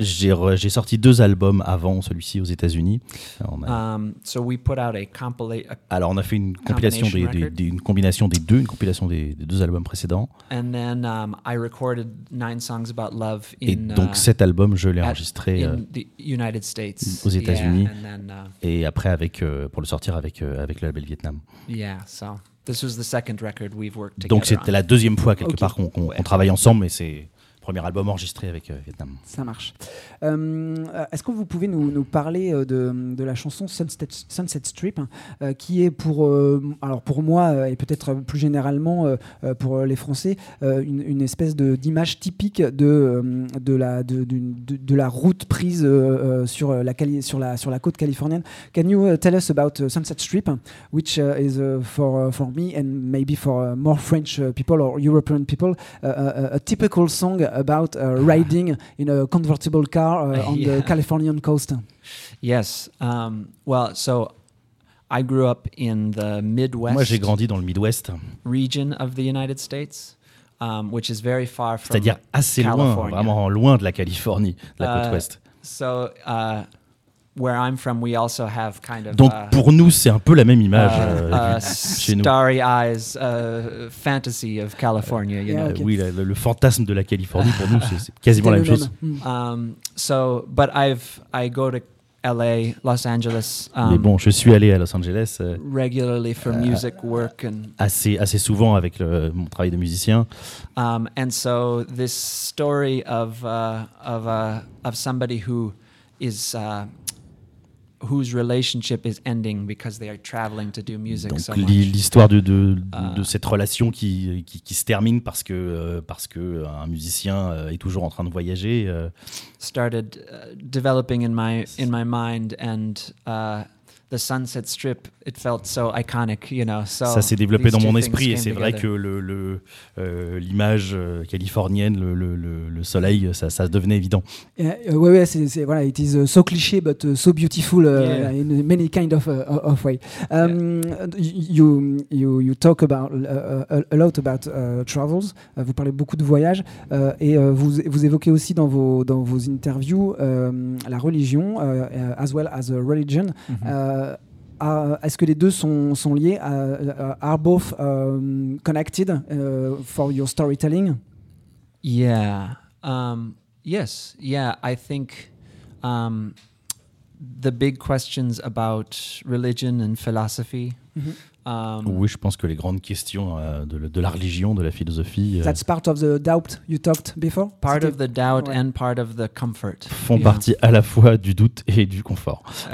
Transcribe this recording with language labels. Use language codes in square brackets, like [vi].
[fr] J'ai sorti deux albums avant celui-ci aux États-Unis. [en] So we put out a [fr] Alors on a fait une compilation des deux albums précédents. [en] And then I recorded Nine Songs About Love in. [fr] Et donc cet album, je l'ai enregistré aux États-Unis. [en] Yeah, and then, [fr] et après pour le sortir avec le label Vietnam. [en] Yeah, so this was the second record we've worked together. [fr] Donc c'était la deuxième fois part qu'on travaille ensemble, mais c'est premier album enregistré avec Vietnam. Ça marche. Est-ce que vous pouvez nous parler de la chanson Sunset Strip, qui est pour moi et peut-être plus généralement pour les Français une espèce d'image typique de la route prise sur la côte californienne. [en] Can you tell us about Sunset Strip, which is for me and maybe for more French people or European people a typical song about riding in a convertible car on the Californian coast? Yes. So I grew up in the Midwest. [fr] Moi, j'ai grandi dans le Midwest. [en] Region of the United States, which is very far from. [fr] C'est-à-dire assez [en] California. [fr] Loin, vraiment loin de la Californie, de la côte ouest. [en] So where I'm from, we also have kind of. [fr] Donc pour nous, c'est un peu la même image chez nous. [en] Starry eyes, fantasy of California. You know. [fr] Oui, le fantasme de la Californie pour nous, c'est quasiment la même chose. [en] I go to L.A., Los Angeles. [fr] Mais bon, je suis allé à Los Angeles. [en] Regularly for music work and. [fr] Assez souvent avec mon travail de musicien. [en] And so this story of somebody who is. Whose relationship is ending because they are traveling to do music. [fr] Donc [en] so [fr] l'histoire de cette relation qui se termine parce que un musicien est toujours en train de voyager. [en] Started developing in my mind and the Sunset Strip, it felt so iconic, you know. So [fr] ça s'est développé dans mon esprit et c'est vrai que l'image californienne, le soleil, ça devenait évident. Ouais, c'est voilà, [en] it is so cliché but so beautiful in many kind of way. You talk about a lot about travels. [fr] Vous parlez beaucoup de voyages et vous évoquez aussi dans vos interviews la religion [en] as well as a religion. [fr] Mm-hmm. Est-ce que les deux sont liés? [en] Are both connected for your storytelling? Yeah. Yes. Yeah. I think the big questions about religion and philosophy. [fr] Mm-hmm. Oui, je pense que les grandes questions de la religion, de la philosophie. [en] That's part of the doubt you talked before. Part of the doubt and part of the comfort. [fr] Font partie à la fois du doute et du confort.